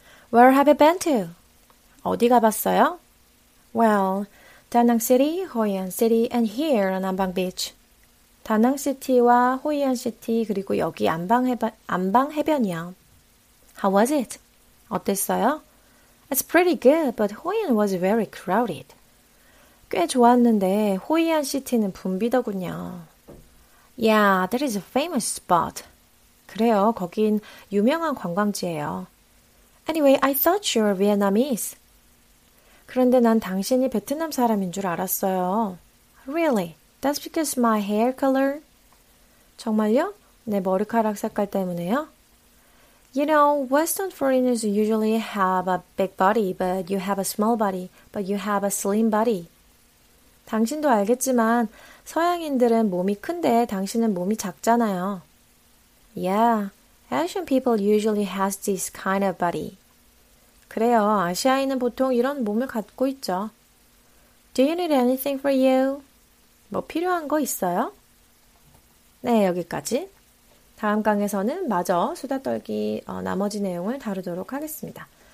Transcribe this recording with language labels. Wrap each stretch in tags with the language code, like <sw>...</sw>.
<en>Where have you been to?</en> <ko>어디 가봤어요?</ko> <en>Well, Danang City, Hoi An City, and here on Anbang Beach.</en> <ko>다낭 시티와 호이안 시티 그리고 여기 안방 해변이요.</ko> <en>How was it?</en> <ko>어땠어요?</ko> <en>It's pretty good, but Hoi An was very crowded.</en> <ko>꽤 좋았는데 호이안 시티는 붐비더군요.</ko> <en>Yeah, that is a famous spot.</en> <ko>그래요, 거긴 유명한 관광지예요.</ko> <en>Anyway, I thought you were Vietnamese.</en> <ko>그런데 난 당신이 베트남 사람인 줄 알았어요.</ko> <en>Really? That's because my hair color.</en> <ko>정말요? 내 머리카락 색깔 때문에요?</ko> <en>You know, Western foreigners usually have a big body, but you have a small body, but you have a slim body.</en> <ko>당신도 알겠지만, 서양인들은 몸이 큰데 당신은 몸이 작잖아요.</ko> <en>Yeah, Asian people usually have this kind of body.</en> <ko>그래요, 아시아인은 보통 이런 몸을 갖고 있죠.</ko> <en>Do you need anything for you?</en> <ko>뭐 필요한 거 있어요? 네, 여기까지. 다음 강에서는 마저 수다 떨기 나머지 내용을 다루도록 하겠습니다.</ko>